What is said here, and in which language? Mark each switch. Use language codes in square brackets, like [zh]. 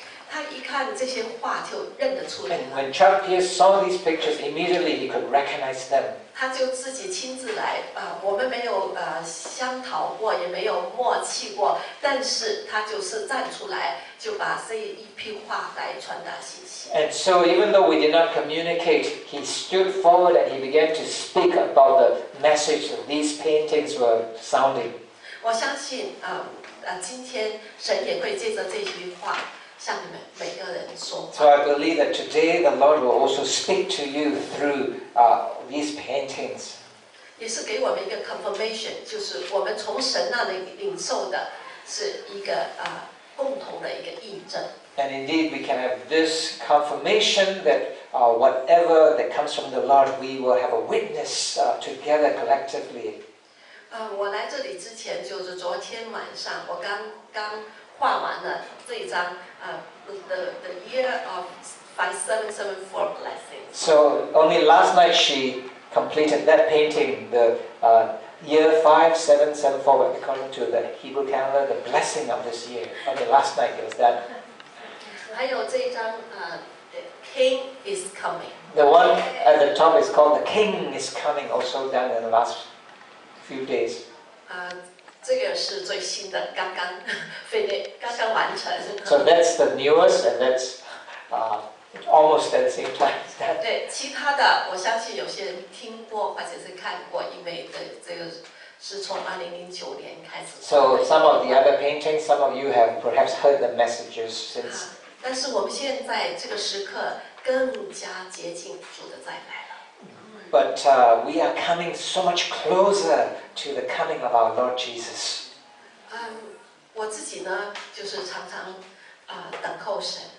[zh] 他一看这些画就认得出来。 [en] And when Chuck Pierce saw these pictures, immediately he could recognize them. [zh] 他就自己亲自来，我们没有相讨过，也没有默契过，但是他就是站出来，就把这一批话来传达信息。 [en] And so even though we did not communicate, he stood forward and he began to speak about the message that these paintings were sounding. [zh] 我相信今天神也会借着这句话。 [en] So I believe that today the Lord will also speak to you through these paintings. [zh] 也是给我们一个 confirmation， 就是我们从神那里领受的是一个 共同的一个印证。 [en] And indeed we can have this confirmation that whatever that comes from the Lord, we will have a witness together collectively. [zh] 我来这里之前就是昨天晚上我刚画完了这张 the year of 5774 blessings. [en] So only last night she completed that painting, the year 5774, according to the Hebrew calendar, the blessing of this year. Only last night it was done. [zh] 还有这一张, the King is coming. [en] The one at the top is called The King is Coming, also done in the last few days. [zh] 这个是最新的, 刚刚, 刚刚完成。 [en] So that's the newest, and that's almost at the same time as that. [zh] 对,其他的,我相信有些人听过,或者是看过,因为这个是从 2009年开始。 [en] So some of the other paintings, some of you have perhaps heard the messages since. [zh] 但是我们现在这个时刻更加接近主的再来了。But [en] we are coming so much closer to the coming of our Lord Jesus. [zh] 我自己呢,就是常常 等候神。